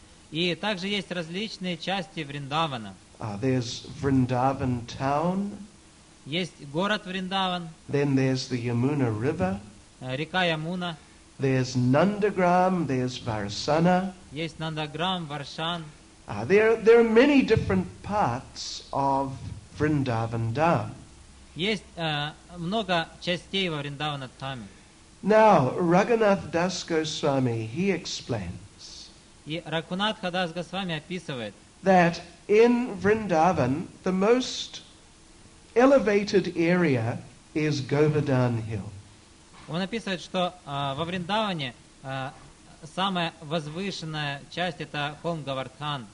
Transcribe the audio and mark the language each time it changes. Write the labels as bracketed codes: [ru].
[ru] И также есть различные части Вриндавана. [en] There's Vrindavan town. [ru] Есть город Вриндаван. [en] Then there's the Yamuna River. [ru] Река Ямуна. [en] There's Nandagram, there's Varsana. [ru] Есть Нандаграм, Варшан. [en] There are many different parts of Vrindavan Dham. [ru] Есть много частей во Вриндавана Дхаме. [en] Now, Raghunath Das Goswami, he explains. [ru] И Рагхунатха Дас Госвами описывает, [en] that in Vrindavan the most elevated area is Govardhan Hill. [ru] Он описывает, что во Вриндаване самая возвышенная часть это холм Говардхан.